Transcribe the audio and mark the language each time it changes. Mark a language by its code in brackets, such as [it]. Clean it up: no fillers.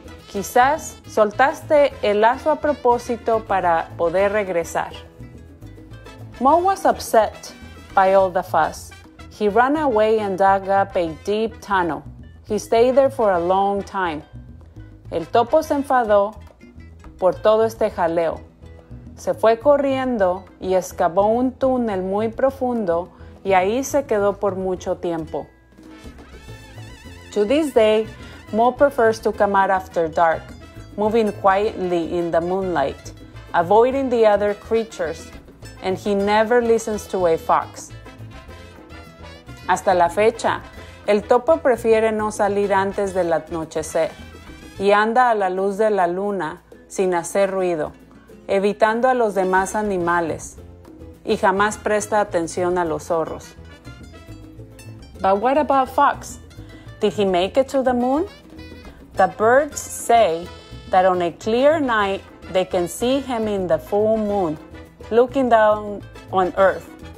[es] Quizás soltaste el lazo a propósito para poder regresar. [en] Mo was upset by all the fuss. He ran away and dug up a deep tunnel. He stayed there for a long time. [es] El topo se enfadó por todo este jaleo. Se fue corriendo y excavó un túnel muy profundo y ahí se quedó por mucho tiempo. [en] To this day, Mo prefers to come out after dark, moving quietly in the moonlight, avoiding the other creatures, and he never listens to a fox. [es] Hasta la fecha, el topo prefiere no salir antes del anochecer y anda a la luz de la luna sin hacer ruido, evitando a los demás animales, y jamás presta atención a los zorros. [en] But what about fox? Did he make it to the moon? The birds say that on a clear night, they can see him in the full moon, looking down on Earth.